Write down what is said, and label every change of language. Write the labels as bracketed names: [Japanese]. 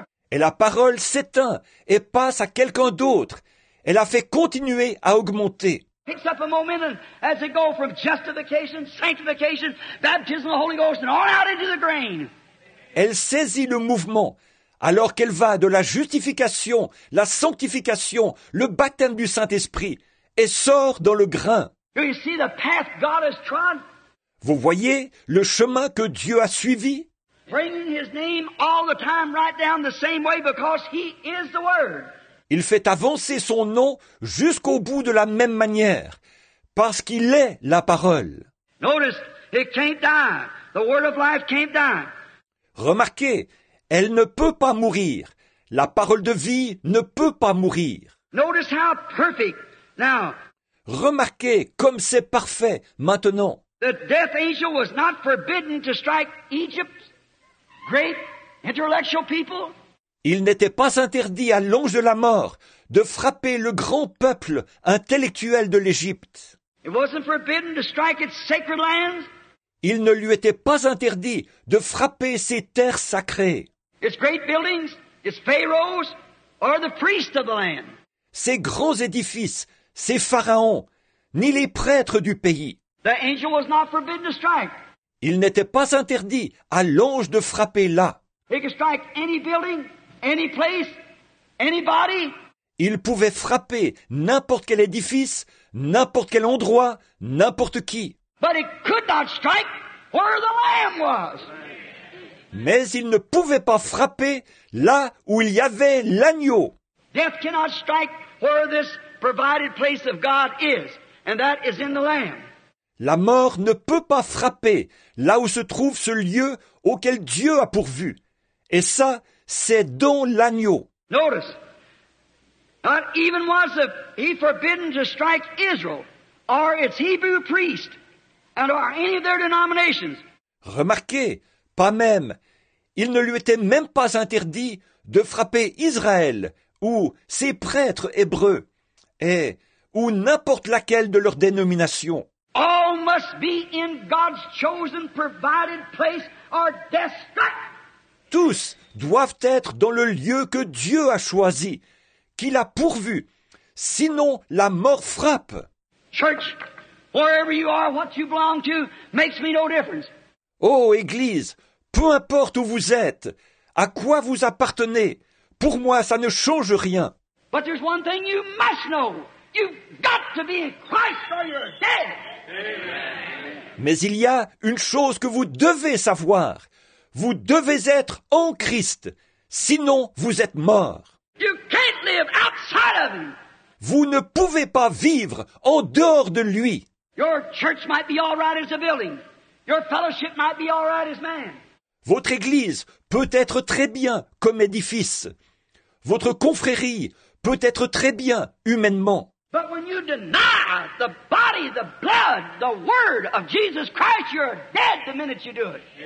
[French] Et la parole s'éteint et passe à quelqu'un d'autre. Elle a fait continuer à augmenter. [English] Picks up a momentum as it goes from justification, sanctification, baptism of the Holy Ghost, and on out into the grain. [French] Elle saisit le mouvement alors qu'elle va de la justification, la sanctification, le baptême du Saint-Esprit et sort dans le grain. [English] Do you see the path God has trod? [French] Vous voyez le chemin que Dieu a suivi? [English] Bringing His name all the time right down the same way because He is the Word. [French] Il fait avancer son nom jusqu'au bout de la même manière, parce qu'il est la parole. [English] Notice, it can't die. The word of life can't die. [French] Remarquez, elle ne peut pas mourir. La parole de vie ne peut pas mourir. [English] Notice how perfect now. [French] Remarquez comme c'est parfait maintenant. [English] The death angel was not forbidden to strike Egypt's great intellectual people. [French] Il n'était pas interdit à l'ange de la mort de frapper le grand peuple intellectuel de l'Égypte. [English] It wasn't forbidden to strike its sacred lands. [French] Il ne lui était pas interdit de frapper ses terres sacrées. [English] Its great buildings, its pharaohs, or the priests of the land. [French] Ses grands édifices, ses pharaons, ni les prêtres du pays. [English] The angel was not forbidden to strike. [French] Il n'était pas interdit à l'ange de frapper là. [English] He could strike any building. Any place, anybody? [French] Il pouvait frapper n'importe quel édifice, n'importe quel endroit, n'importe qui. [English] But it could not strike where the Lamb was. [French] Mais il ne pouvait pas frapper là où il y avait l'agneau. [English] Death cannot strike where this provided place of God is, and that is in the Lamb. [French] La mort ne peut pas frapper là où se trouve ce lieu auquel Dieu a pourvu. Et ça, c'est dans l'agneau. [English] Notice, not even was he forbidden to strike Israel or its Hebrew priest and or any of their denominations. [French] Remarquez, pas même, il ne lui était même pas interdit de frapper Israël ou ses prêtres hébreux et ou n'importe laquelle de leurs dénominations. [English] All must be in God's chosen provided place or death strike. [French] Tous doivent être dans le lieu que Dieu a choisi, qu'il a pourvu, sinon la mort frappe. [English] Church, wherever you are, what you belong to makes me no difference. [French] Oh, Église, peu importe où vous êtes, à quoi vous appartenez, pour moi ça ne change rien. [English] But there's one thing you must know. You've got to be in Christ or you're dead. Amen. [French] Mais il y a une chose que vous devez savoir. Vous devez être en Christ, sinon vous êtes mort. [English] You can't live outside of him. [French] Vous ne pouvez pas vivre en dehors de lui. [English] Your church might be all right as a building. Your fellowship might be all right as man. [French] Votre église peut être très bien comme édifice. Votre confrérie peut être très bien humainement. [English] But when you deny the body, the blood, the word of Jesus Christ, you're dead the minute you do it.